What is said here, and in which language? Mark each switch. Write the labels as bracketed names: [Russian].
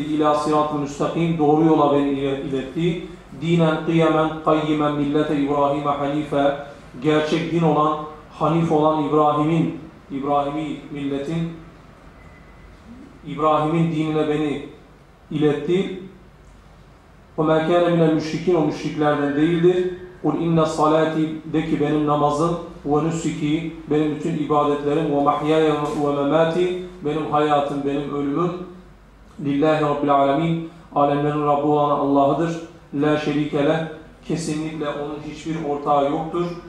[Arabic] İlâ sirat-ı müstakim. [Turkish] Doğru yola beni iletti. [Arabic] Dinen kıyemen kayyimen millete İbrahim'e halife. [Turkish] Gerçek din olan, hanif olan İbrahim'in, İbrahim'i milletin, İbrahim'in dinine beni iletti. [Arabic] وَمَا كَانَ مِنَ الْمُشْرِكِينَ [Turkish] O müşriklerden değildir. [Arabic] قُلْ اِنَّ صَلَاتِي [Turkish] De ki benim namazım [Arabic] وَنُسْكِي [Turkish] Benim bütün ibadetlerim [Arabic] وَمَحْيَايَ وَمَمَاتِي [Turkish] Benim hayatım, benim ölümüm [Arabic] لِلَّهِ رَبِّ الْعَالَمِينَ [Turkish] Alemlerin Rabbi olan Allah'ıdır. [Arabic] لَا شَرِيكَ لَهُ [Turkish] Kesinlikle onun hiçbir ortağı yoktur.